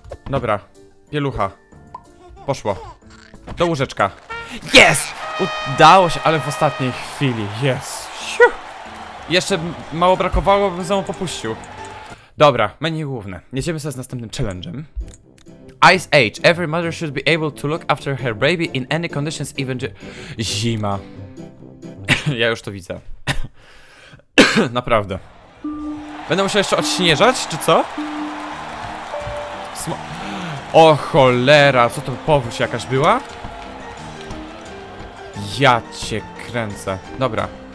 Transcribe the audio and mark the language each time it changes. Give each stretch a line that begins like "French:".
Polish: Dobra, pielucha. Poszło. Do łóżeczka. Jest! Udało się, ale w ostatniej chwili. Jest. Jeszcze mało brakowało, bym za mną popuścił. Dobra, menu główne. Jedziemy sobie z następnym challenge'em.
English: Ice Age. Every mother should be able to look after her baby in any conditions, even...
Polish: Zima. Ja już to widzę. Naprawdę. Będę musiał jeszcze odśnieżać, czy co? O cholera, co to powódź jakaś była? Ja cię kręcę. Dobra.